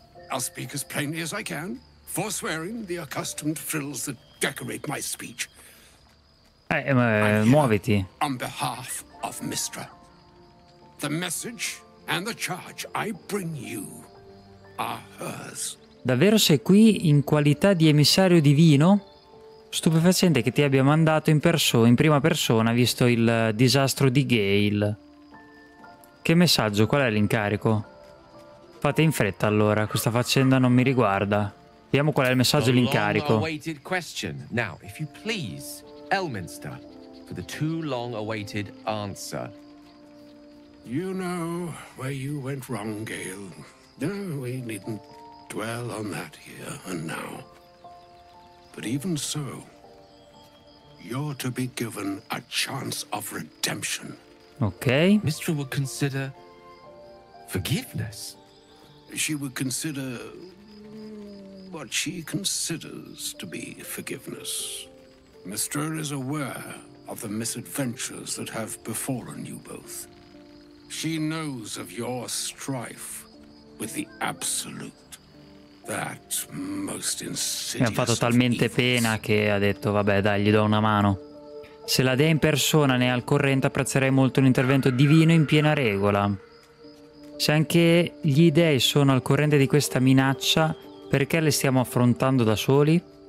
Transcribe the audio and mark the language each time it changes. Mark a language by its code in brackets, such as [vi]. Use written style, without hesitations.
[en] I'll speak as plainly as I can, forswearing the accustomed frills that decorate my speech. [it] Muoviti. [en] On behalf of Mistra, the message and the charge I bring you are hers. [it] Davvero sei qui in qualità di emissario divino? Stupefacente che ti abbia mandato in prima persona, visto il disastro di Gale. Che messaggio? Qual è l'incarico? Fate in fretta allora, questa faccenda non mi riguarda. Vediamo qual è il messaggio e l'incarico. [en] Now, if you please, Elminster, for the too long awaited answer. You know where you went wrong, Gale. No, we needn't dwell on that here and now. But even so, you're to be given a chance of redemption. Okay. Mistra would consider forgiveness. She would consider what she considers to be forgiveness. Mistra is aware of the misadventures that have befallen you both. She knows of your strife with the Absolute. That most insidious. [it] Mi ha fatto talmente pena che ha detto vabbè dai, gli do una mano. Se la dea in persona ne è al corrente, apprezzerei molto un intervento divino in piena regola. Se anche gli dei sono al corrente di questa minaccia, perché le stiamo affrontando da soli?